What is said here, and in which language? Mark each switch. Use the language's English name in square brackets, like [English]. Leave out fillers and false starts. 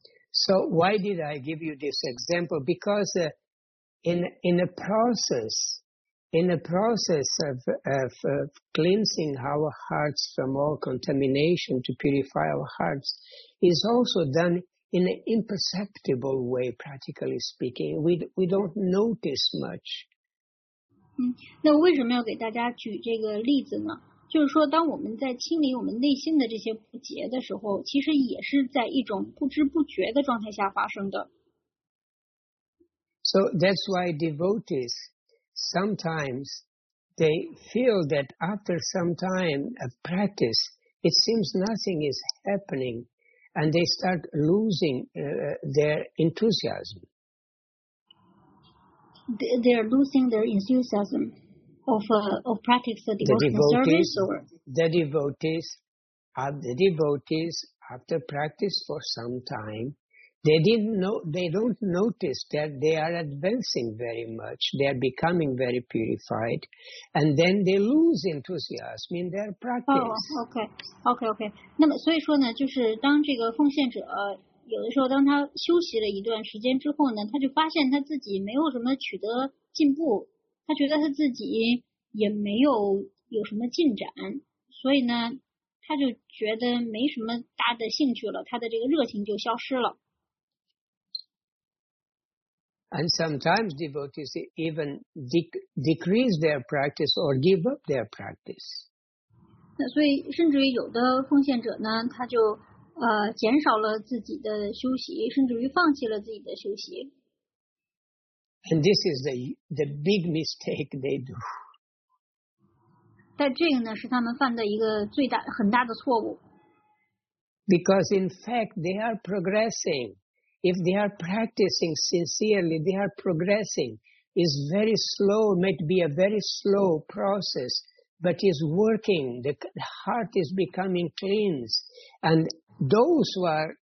[English] So why did I give you this example? Because in a process of cleansing our hearts from all contamination to purify our hearts is also done in an imperceptible way, practically speaking. We don't notice much. [Chinese] 那为什么要给大家举这个例子呢？就是说当我们在清理我们内心的这些不洁的时候，其实也是在一种不知不觉的状态下发生的。 [English] So that's why devotees sometimes they feel that after some time of practice, it seems nothing is happening, and they start losing their enthusiasm. They're losing their enthusiasm of practice the devotion service? The devotees after practice for some time, they don't notice that they are advancing very much, they are becoming very purified, and then they lose enthusiasm in their practice. Okay. [Chinese] 那么所以说呢，就是当这个奉献者有的时候当他休息了一段时间之后呢，他就发现他自己没有什么取得进步，他觉得他自己也没有什么进展，所以呢他就觉得没什么大的兴趣了，他的这个热情就消失了。 [English] And sometimes devotees even decrease their practice or give up their practice. [Chinese] 那所以甚至于有的奉献者呢，他就减少了自己的修习，甚至于放弃了自己的修习。 [English] And this is the big mistake they do. [Chinese] 但这个呢，是他们犯的一个最大很大的错误。 [English] Because in fact they are progressing. If they are practicing sincerely, they are progressing. It's very slow, might be a very slow process, but it's working. The heart is becoming cleansed. And those who are